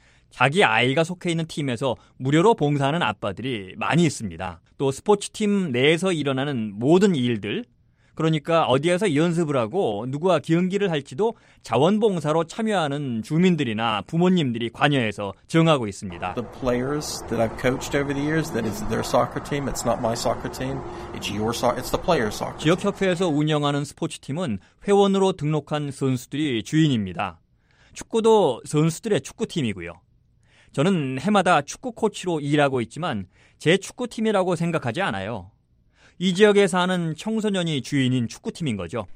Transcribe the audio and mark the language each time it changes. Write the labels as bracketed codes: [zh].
[ko] 자기 아이가 속해 있는 팀에서 무료로 봉사하는 아빠들이 많이 있습니다. 또 스포츠팀 내에서 일어나는 모든 일들, 그러니까 어디에서 연습을 하고 누구와 경기를 할지도 자원봉사로 참여하는 주민들이나 부모님들이 관여해서 정하고 있습니다. [en] The players that I've coached over the years, that is their soccer team, it's not my soccer team, it's your soccer, it's the player's soccer team. [ko] 지역협회에서 운영하는 스포츠팀은 회원으로 등록한 선수들이 주인입니다. 축구도 선수들의 축구팀이고요. 저는 해마다 축구 코치로 일하고 있지만 제 축구팀이라고 생각하지 않아요. 이 지역에 사는 청소년이 주인인 축구팀인 거죠.